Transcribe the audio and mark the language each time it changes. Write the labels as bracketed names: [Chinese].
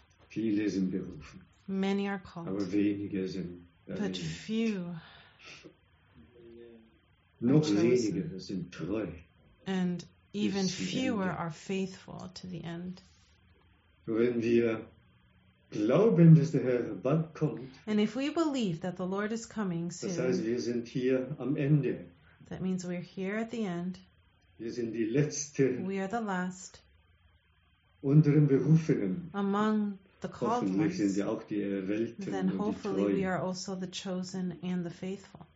[German] Viele sind berufen, [English] many are called, [German] aber wenige sind erwählt. [English] But few. [German] Noch weniger sind treu. [English] And even fewer are faithful to the end. [German] Wenn wir glauben, dass der Herr bald kommt, [English] and if we believe that the Lord is coming soon, [German] das heißt, wir sind hier am Ende. [English] That means we're here at the end. [German] Wir sind die Letzte. [English] We are the last. [German] Unter den Berufenen. [English] Among the called ones. [German] Hoffentlich sind wir auch die Erwählten. [English] Then hopefully we are also the chosen and the faithful.